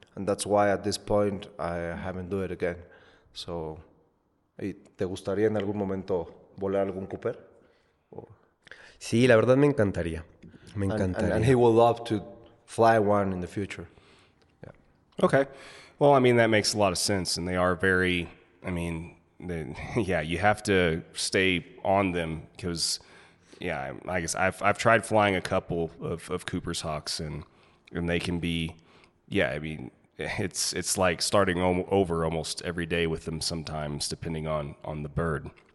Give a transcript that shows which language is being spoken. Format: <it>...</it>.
<en>And that's why at this point I haven't done it again.</en> <es>So, ¿te gustaría en algún momento volar algún Cooper? Sí, la verdad me encantaría. Me encantaría.</es> <en>And he would love to fly one in the future. Yeah. Okay. Well, I mean, that makes a lot of sense. And they are very, I mean, you have to stay on them because, yeah, I guess I've tried flying a couple of Cooper's Hawks and they can be, yeah, I mean, it's like starting over almost every day with them sometimes, depending on the bird.</en>